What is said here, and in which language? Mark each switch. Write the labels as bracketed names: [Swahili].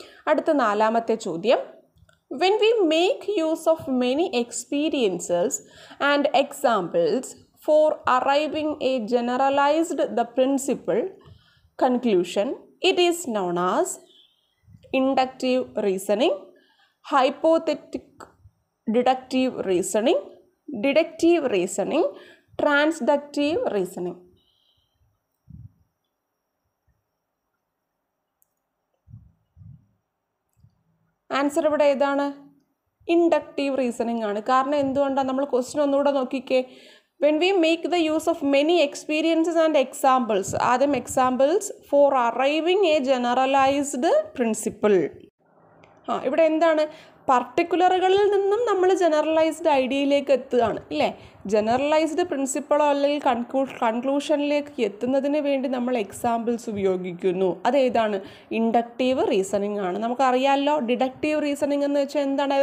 [Malayalam] അടുത്ത നാലാമത്തെ ചോദ്യം, [English] When we make use of many experiences and examples for arriving a generalised the principle conclusion, it is known as inductive reasoning, hypothetic deductive reasoning, deductive reasoning, transductive reasoning. [Malayalam] Answer ഇവിടെ ഏതാണ്? Inductive reasoning ആണ്. കാരണം എന്തുകൊണ്ടാണ്? നമ്മൾ question ഒന്നുകൂടെ നോക്കിക്കേ. [English] When we make the use of many experiences and examples, adam examples for arriving a generalized principle. [Malayalam] Ha, ivide endana പർട്ടിക്കുലറുകളിൽ നിന്നും നമ്മൾ ജനറലൈസ്ഡ് ഐഡിയയിലേക്ക് എത്തുകയാണ് അല്ലേ. ജനറലൈസ്ഡ് പ്രിൻസിപ്പിളോ അല്ലെങ്കിൽ കൺക്ലൂഷനിലേക്ക് എത്തുന്നതിന് വേണ്ടി നമ്മൾ എക്സാമ്പിൾസ് ഉപയോഗിക്കുന്നു. അതേതാണ്? ഇൻഡക്റ്റീവ് റീസണിങ് ആണ്. നമുക്കറിയാമല്ലോ ഡിഡക്റ്റീവ് റീസണിങ് എന്ന് വെച്ചാൽ എന്താണ്?